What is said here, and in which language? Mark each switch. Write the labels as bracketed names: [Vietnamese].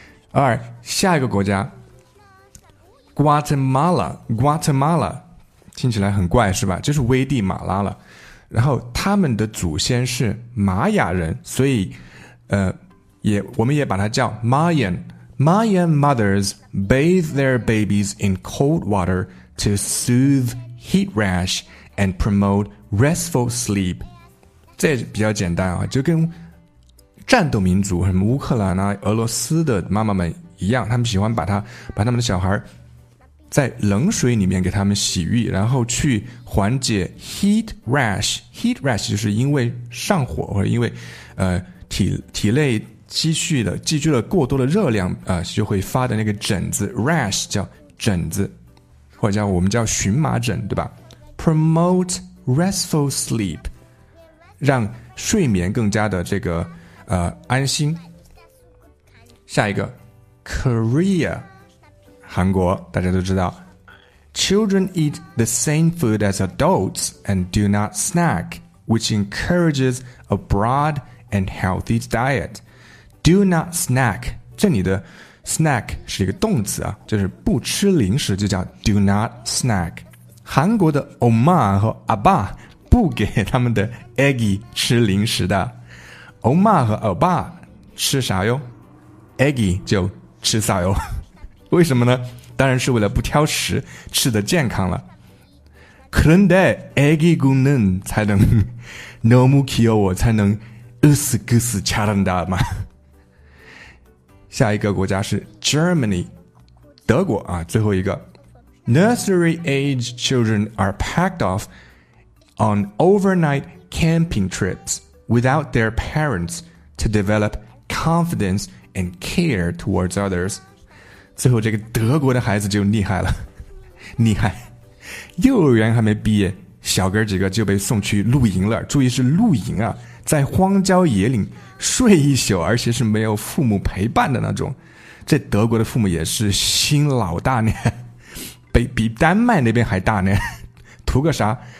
[Chinese] 二，下一个国家 Guatemala。 Guatemala 听起来很怪是吧，就是危地马拉了。然后他们的祖先是玛雅人，所以我们也把它叫 Mayan。 [English] Mayan mothers bathe their babies in cold water to soothe heat rash and promote restful sleep。 [Chinese] 这比较简单啊，就跟战斗民族什么乌克兰啊俄罗斯的妈妈们一样，他们喜欢把他们的小孩在冷水里面给他们洗浴，然后去缓解 heat rash。 heat rash 就是因为上火或者因为体内积聚了过多的热量就会发的那个疹子。 rash 叫疹子，或者叫我们叫荨麻疹，对吧？ [English] promote restful sleep, [Chinese] 让睡眠更加的这个安心。下一个 Korea,韩国，大家都知道。 [English] Children eat the same food as adults and do not snack, which encourages a broad and healthy diet. Do not snack, [Chinese] 这里的 snack 是一个动词啊，就是不吃零食，就叫 [English] do not snack。 [Chinese] 韩国的 Oma 和 Abba 不给他们的 Eggy 吃零食的。 Oma 和 Abba 吃啥哟？ Eggy 就吃啥哟？为什么呢？当然是为了不挑食，吃得健康了。 [Korean] 그런데애기굶는才能너무귀여워才能으스그스차란다嘛。 [Chinese] 下一个国家是 Germany, 德国啊，最后一个。 [English] Nursery age children are packed off on overnight camping trips without their parents to develop confidence and care towards others. [Chinese] 最后这个德国的孩子就厉害了，厉害，幼儿园还没毕业，小哥几个就被送去露营了。注意是露营啊，在荒郊野岭睡一宿，而且是没有父母陪伴的那种。这德国的父母也是心老大呢，比丹麦那边还大呢。图个啥？